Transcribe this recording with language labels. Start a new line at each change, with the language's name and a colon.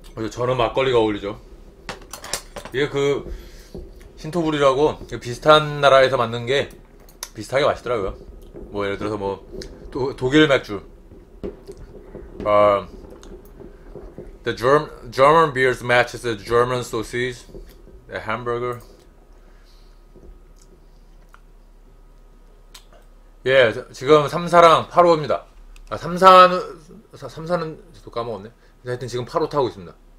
Korean: 저는 막걸리가 어울리죠. 이게 그 신토불이라고 비슷한 나라에서 만든 게 비슷하게 맛있더라고요.
English: 뭐 예를 들어서 뭐 독일 맥주, the German beers matches the German sausage, the hamburger.
Korean: Yeah, 지금 삼사랑 8호입니다. 아, 삼사는 또 까먹었네. 하여튼 지금 8호 타고 있습니다.